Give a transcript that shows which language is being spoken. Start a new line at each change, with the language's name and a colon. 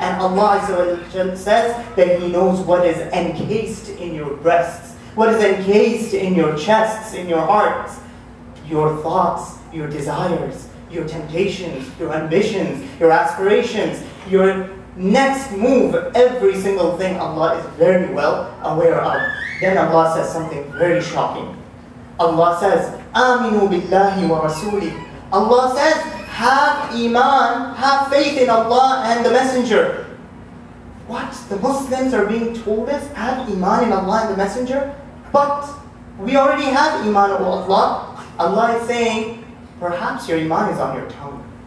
English: And Allah says that He knows what is encased in your breasts, what is encased in your chests, in your hearts, your thoughts, your desires, your temptations, your ambitions, your aspirations, your next move, every single thing Allah is very well aware of. Then Allah says something very shocking. Allah says,
Arabic: آمِنُوا بِاللَّهِ وَرَسُولِهِ.
English: Allah says, have iman, have faith in Allah and the Messenger. What? The Muslims are being told this? Have iman in Allah and the Messenger? But we already have iman of Allah. Allah is saying, perhaps your iman is on your tongue.